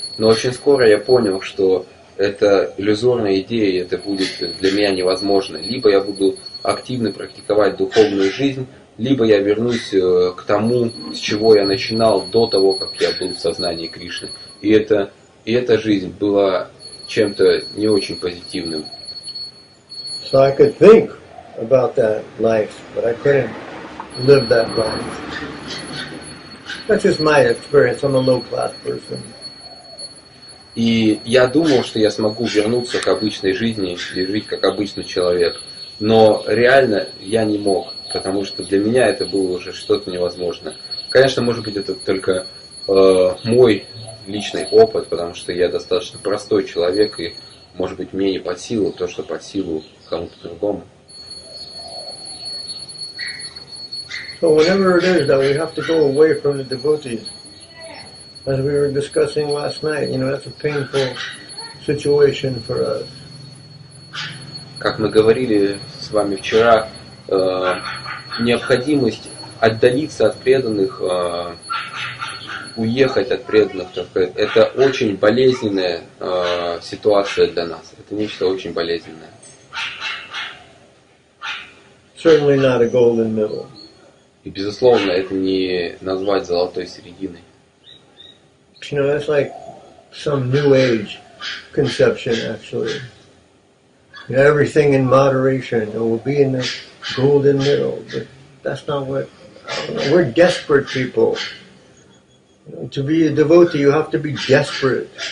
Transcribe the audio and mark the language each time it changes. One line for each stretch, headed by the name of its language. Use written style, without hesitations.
Russian: Но очень скоро я понял, что это иллюзорная идея, это будет для меня невозможно. Либо я буду активно практиковать духовную жизнь, либо я вернусь к тому, с чего я начинал до того, как я был в сознании Кришны. И это, и эта жизнь была чем-то не очень позитивным.
English: So I could think about that life, but I couldn't live that life. That's just my experience. I'm a low-class person.
Russian: И я думал, что я смогу вернуться к обычной жизни и жить как обычный человек. Но реально я не мог, потому что для меня это было уже что-то невозможное. Конечно, может быть, это только мой личный опыт, потому что я достаточно простой человек, и, может быть, мне не под силу то, что под силу кому-то другому.
English: So whenever it is that we have to go away from the devotees, as we were discussing last night, you know, that's a painful situation for us.
Russian: Как мы говорили с вами вчера, необходимость отдалиться от преданных, уехать от преданных, это очень болезненная ситуация для нас. Это нечто очень болезненное.
English: Certainly not a golden middle.
Russian: И, безусловно, это не назвать золотой серединой.
English: You know, that's like some new age conception, actually. You know, everything in moderation, it will be in the golden middle. But that's not what... We're desperate people. To be a devotee, you have to be desperate.